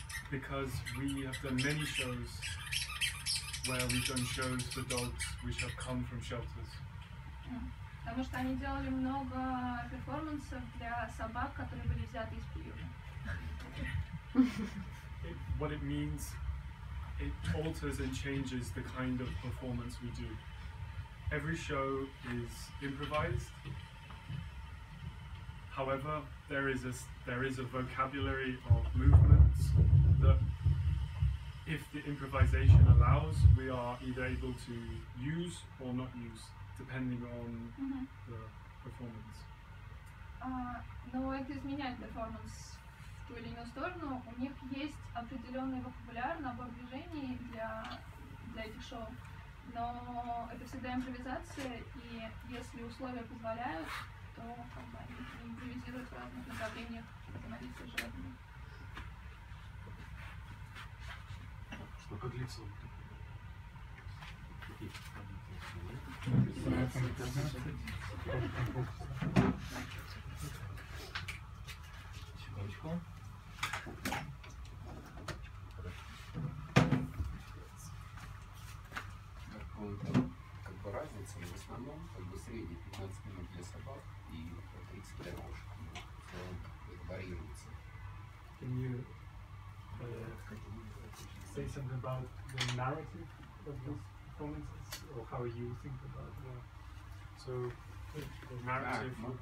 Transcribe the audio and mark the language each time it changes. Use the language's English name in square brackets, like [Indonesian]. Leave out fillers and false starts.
[English] Because we have done many shows where we've done shows for dogs which have come from shelters. [Russian] Потому что они делали много перформансов для собак, которые были взяты из приюта. [English] What it means, it alters and changes the kind of performance we do. Every show is improvised. However, there is a vocabulary of movements that, if the improvisation allows, we are either able to use or not use, depending on the performance. [Russian] Но это изменяет перформанс. Ту или иную сторону, у них есть определенный вокабуляр, набор движений для этих шоу. Но это всегда импровизация, и если условия позволяют, то как бы, они импровизируют в разных направлениях становиться животными. Что как лицо? Секундочку. Как бы разница, но в основном как бы средний 15 минут для собак и 30 для кошек. В целом это варьируется. [English] Can you say something about the narrative of these performances or how you think about the so the narrative?